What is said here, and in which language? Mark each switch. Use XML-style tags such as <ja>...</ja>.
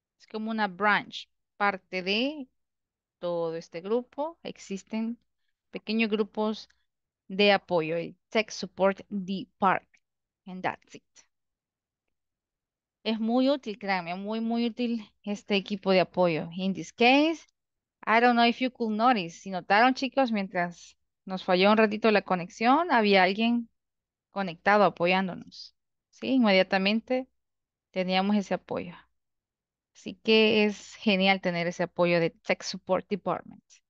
<es>Como una branch, parte de todo este grupo, existen pequeños grupos de apoyo, el Tech Support Department.</es> <en>And that's it.</en> <es>Es muy útil, créanme, muy, muy útil este equipo de apoyo.</es> <en>In this case, I don't know if you could notice.</en> <es>Si notaron, chicos, mientras nos falló un ratito la conexión, había alguien conectado apoyándonos. Sí, inmediatamente teníamos ese apoyo. Así que es genial tener ese apoyo de Tech Support Department.</es>